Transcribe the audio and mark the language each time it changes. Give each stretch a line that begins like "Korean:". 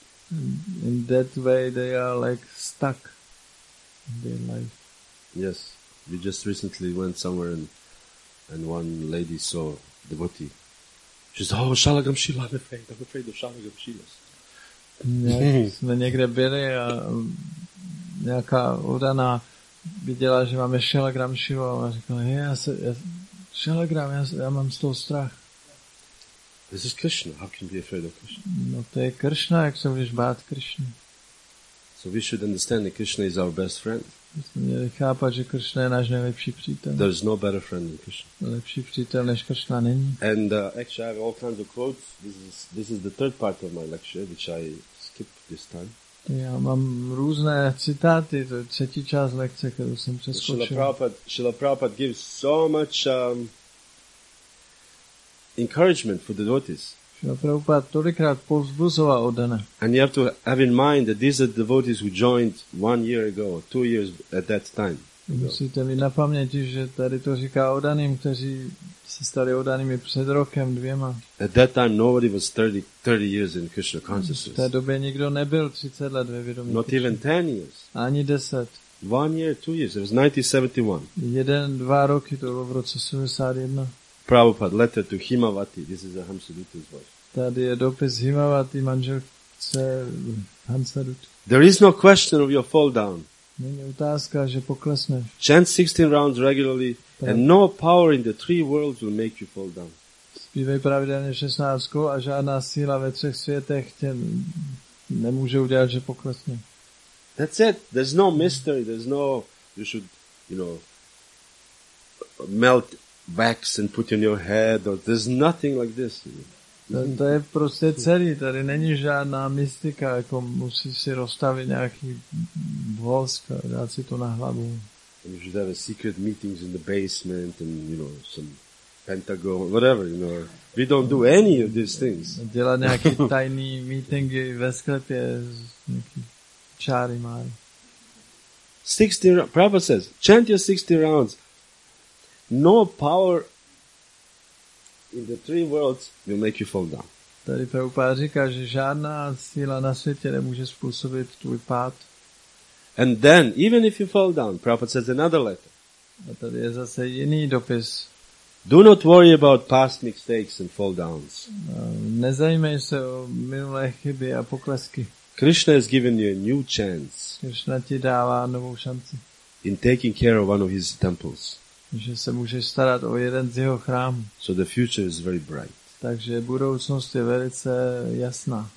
English: In that way, they are like stuck in their life. Yes, we just recently went somewhere and one lady saw devotee. She said, "Oh, Shalagam Shila, I'm afraid of Shalagam Shilas."
Czech: Jsme někde byli a nějaká udaná viděla, že máme Shalagram Shila a říkala, hej, já mám z toho strach.
English: This is Krishna. How can you be afraid of Krishna?
Czech: No, to je Krishna, jak se můžeš bát Krishna.
English: So we should understand that Krishna is our best friend.
Czech: Jsme měli chápat, že Krishna je náš nejlepší přítel.
English: There is no better friend than Krishna.
Czech: Lepší přítel než Krishna není.
English: And actually, I have all kinds of quotes. This is the third part of my lecture, which I skipped this time.
Czech: Já mám různé citáty, to je třetí část lekce, kterou jsem přeskočil.
English: Srila Prabhupada gives so much encouragement for the devotees.
Czech: Srila Prabhupada tolikrát povzbuzoval oddané.
English: And you have to have in mind that these are the devotees who joined 1 year ago, 2 years at that time.
Czech: Musíte mít na paměti, že tady to říká oddaným, kteří se stali oddanými před rokem, dvěma.
English: At that time nobody was 30 years in Krishna consciousness.
Czech: V té době nikdo nebyl 30 let ve vědomí.
English: Not even 10 years.
Czech: Ani 10.
English: 1 year, 2 years. It was 1971.
Czech: Jeden, dva roky, to bylo v roce 71.
English: Prabhupada, letter to Himavati. This is a Hamsa Dutta's voice.
Czech: Tady je dopis Himavati, manželce Hamsa Dutta.
English: There is no question of your fall down.
Czech: Není otázka, že poklesneš.
English: Chant 16 rounds regularly and no power in the three worlds will make you fall down.
Czech: Zpívej pravidelně 16 a žádná síla ve třech světech tě nemůže udělat, že poklesne.
English: That's it. There's no mystery. There's no, you should, you know, melt wax and put in your head. Or there's nothing like this.
Czech: To je prostě celý, tady není žádná mystika, jako musíš si rozstavit nějaký vosk a dát si to na hlavu.
English: And you should have a secret meetings in the basement and, you know, some pentagon, whatever, you know. We don't do any of these things.
Czech: Dělat nějaký tajný meetingy ve sklepě s nějaký čáry máry.
English: 60 rounds, Prabhupada says, chant your 60 rounds. No power in the three worlds will make you fall down.
Czech: Tady Prabhupada říká, že žádná síla na světě nemůže způsobit tvůj pád.
English: And then, even if you fall down, Prabhupada says another letter.
Czech: A tady je zase jiný dopis.
English: Do not worry about past mistakes and fall downs.
Czech: Nezajímej se o minulé chyby a poklesky.
English: Krishna has given you a new chance.
Czech: Krishna ti dává novou šanci.
English: In taking care of one of his temples.
Czech: Že se můžeš starat o jeden z jeho chrámů.
English: So the future is very bright.
Czech: Takže budoucnost je velice jasná.